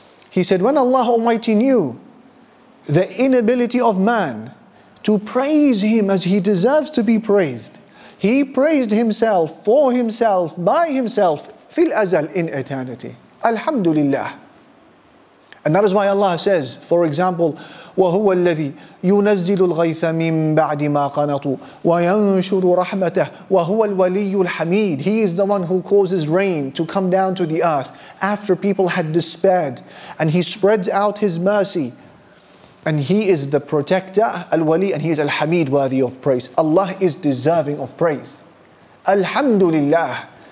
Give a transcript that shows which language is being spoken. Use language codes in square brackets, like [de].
[en] He said, when Allah Almighty knew the inability of man to praise him as he deserves to be praised, he praised himself for himself, by himself, fil azal, in eternity. Alhamdulillah. And that is why Allah says, for example, [ar] وهو الذي ينزل الغيث من بعد ما قنطوا وينشر رحمته وهو الولي الحميد. [en] He is the one who causes rain to come down to the earth after people had despaired, and he spreads out his mercy, and he is the protector, al-wali, and he is al-hamid, worthy of praise. Allah is deserving of praise. Alhamdulillah.